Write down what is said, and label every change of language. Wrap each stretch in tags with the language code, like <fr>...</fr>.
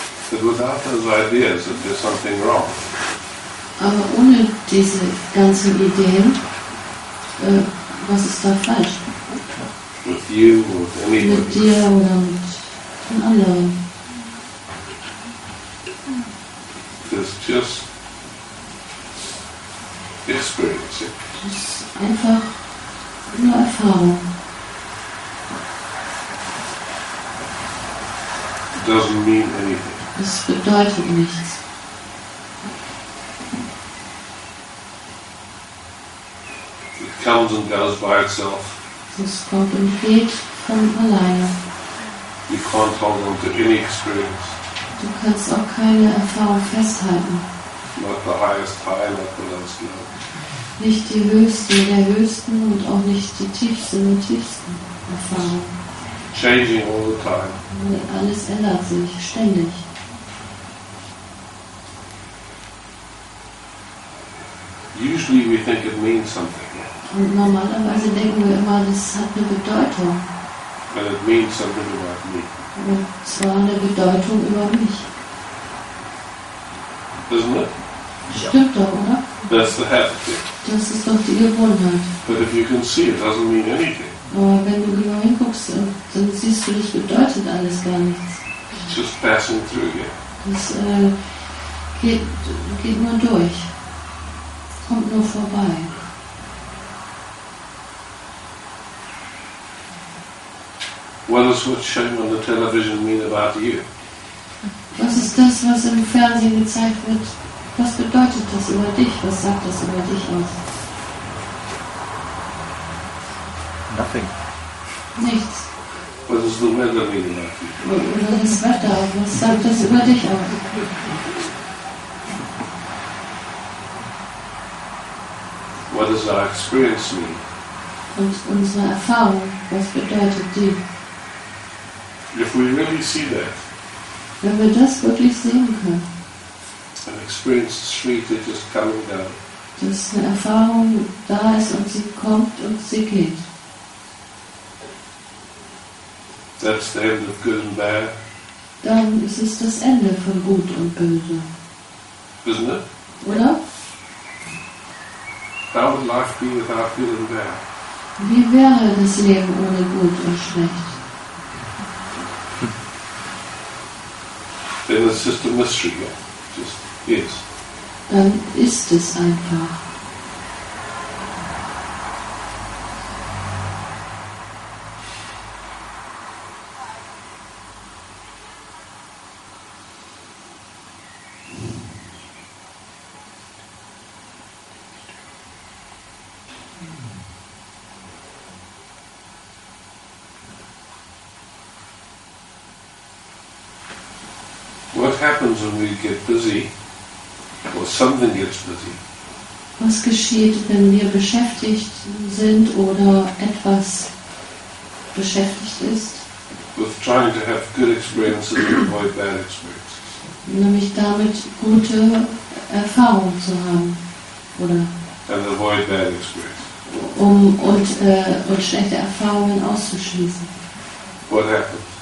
<en>But without those ideas, if there's something wrong.</en> <de>Aber ohne diese ganzen Ideen, was ist da falsch?</de> <en>With you or with anybody.</en> <de>Mit dir oder mit den anderen.</de> <en>It's just experience.</en> <de>Es ist einfach nur Erfahrung.</de> <en>It doesn't mean anything.</en> <de>Es bedeutet nichts.</de> <en>Comes and goes by itself.</en> <de>Es kommt und geht von alleine.</de> <en>You can't hold on to any experience.</en> <de>Du kannst auch keine Erfahrung festhalten.</de> <en>Not the highest high, not the lowest low.</en> <de>Nicht die höchste der höchsten und auch nicht die tiefste der tiefsten Erfahrung.</de> <en>Changing all the time.</en> <de>Nee, alles ändert sich ständig.</de> <en>Usually we think it means something.</en> <de>Und normalerweise denken wir immer, das hat eine Bedeutung.</de> <en>But it means something about me.</en> <de>Ja, es war eine Bedeutung über mich.</de> <en>Isn't it?</en> <de>Stimmt doch, oder?</de> <en>That's the habit. Yeah.</en> <de>Das ist doch die Gewohnheit.</de> <en>But if you can see, it doesn't mean anything.</en> <de>Aber wenn du genau hinguckst, dann siehst du, das bedeutet alles gar nichts.</de> <en>Just passing through, yeah.</en> <de>Das geht nur durch. Kommt nur vorbei.</de> <en>What is what's shown on the television mean about you?</en> <de>Was ist das, was im Fernsehen gezeigt wird? Was bedeutet das über dich? Was sagt das über dich aus?</de> <en>Nothing.</en> <de>Nichts.</de> <en>What does the weather mean about you?</en> <de>Was ist Wetter? Was sagt das über dich aus?</de> <en>What does our experience mean?</en> <de>Und unsere Erfahrung, was bedeutet die?</de> <en>If we really see that,</en> <de>wenn wir das wirklich sehen können,</de> <en>an experience street is just coming down,</en> <de>dass eine Erfahrung da ist und sie kommt und sie geht,</de> <en>that's the end of good and bad,</en> <de>dann ist es das Ende von Gut und Böse.</de> <en>Isn't it?</en> <de>Oder?</de> <en>How would life be without good and bad?</en> <de>Wie wäre das Leben ohne Gut und Schlecht?</de> <en>Then it's just a mystery, yeah. Just is.</en> <de>Dann ist es einfach.</de> <en>When we get busy, or something gets busy.</en> <de>Was geschieht, wenn wir beschäftigt sind oder etwas beschäftigt ist?</de> <en>With trying to have good experiences and avoid bad experiences.</en> <de>Nämlich damit gute Erfahrungen zu haben, oder?</de> <en>And avoid bad experiences.</en> <de>Und schlechte Erfahrungen auszuschließen.</de> <en>What happens?</en>